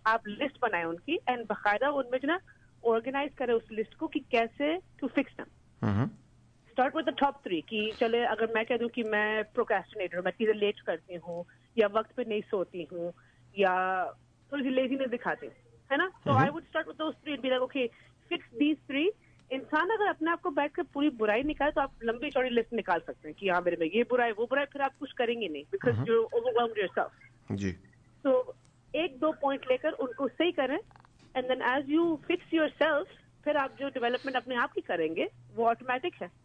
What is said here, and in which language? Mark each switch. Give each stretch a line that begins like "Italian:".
Hindi: आप लिस्ट बनाए उनकी एंड बकायदा उनमें जो ना ऑर्गेनाइज करें उस लिस्ट को कि कैसे
English: To fix them. start with the top three.
Hindi: कि चले अगर मैं कह दूँ कि मैं procrastinator, मैं चीजें late करती हूँ या वक्त पे नहीं सोती हूँ या थोड़ी सी laziness दिखाती हूँ, है ना?
English: So I would start with those three and be like, okay, fix these three.
Hindi: इंसान अगर अपने आप को बैठ कर पूरी बुराई निकाले तो आप लंबी चौड़ी लिस्ट निकाल सकते हैं कि हाँ मेरे में ये बुराई वो बुराई, फिर आप कुछ करेंगे नहीं
English: Because you overwhelmed yourself.
Hindi: जी. तो एक दो पॉइंट लेकर उनको सही करें
English: and then as you fix yourself
Hindi: फिर आप जो डेवलपमेंट अपने आप की करेंगे वो ऑटोमेटिक है.